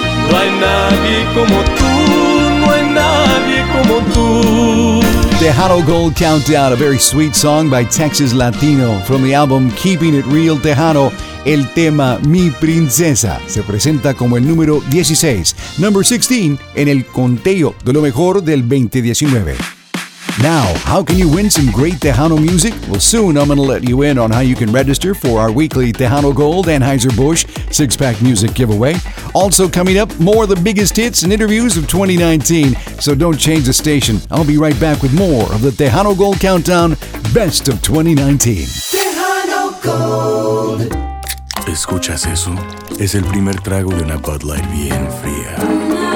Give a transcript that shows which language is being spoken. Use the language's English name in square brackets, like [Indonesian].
[Spanish] No hay nadie como tú, no hay nadie como tú. [English] Tejano Gold Countdown, a very sweet song by Texas Latino from the album Keeping It Real Tejano. [Spanish] El tema Mi Princesa se presenta como el número 16, [English] number 16 [Spanish] en el conteo de lo mejor del 2019. [English] Now, how can you win some great Tejano music? Well, soon I'm going to let you in on how you can register for our weekly Tejano Gold Anheuser-Busch six-pack music giveaway. Also coming up, more of the biggest hits and interviews of 2019. So don't change the station. I'll be right back with more of the Tejano Gold Countdown Best of 2019. Tejano Gold. [Spanish] ¿Escuchas eso? Es el primer trago de una Bud Light bien fría.